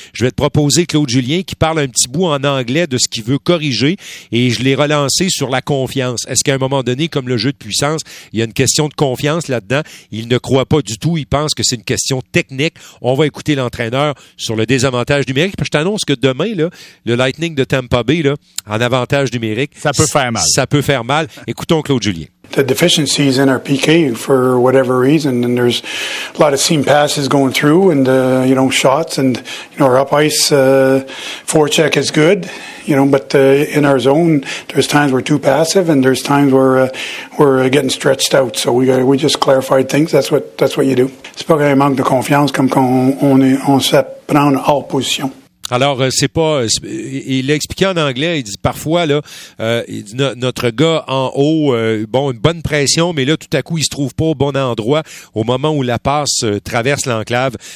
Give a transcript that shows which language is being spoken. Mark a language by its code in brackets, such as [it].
[fr] Je vais te proposer Claude Julien qui parle un petit bout en anglais de ce qu'il veut corriger et je l'ai relancé sur la confiance. Est-ce qu'à un moment donné, comme le jeu de puissance, il y a une question de confiance là-dedans? Il ne croit pas du tout, il pense que c'est une question technique. On va écouter l'entraîneur sur le désavantage numérique. Je t'annonce que demain, là, le Lightning de Tampa Bay, là, en avantage numérique, ça peut faire mal. Ça peut faire mal. Écoutons Claude Julien. [en] The deficiencies in our PK for whatever reason, and there's a lot of seam passes going through, and you know, shots, and you know, our up ice forecheck is good, you know, but in our zone, there's times we're too passive, and there's times where we're getting stretched out. So we just clarified things. That's what you do. [fr] C'est pas qu'il manque de confiance comme on se prend en position. Alors, c'est pas. Il l'a expliqué en anglais. Il dit parfois là, il dit, notre gars en haut, bon, une bonne pression, mais là, tout à coup, il se trouve pas au bon endroit au moment où la passe traverse l'enclave.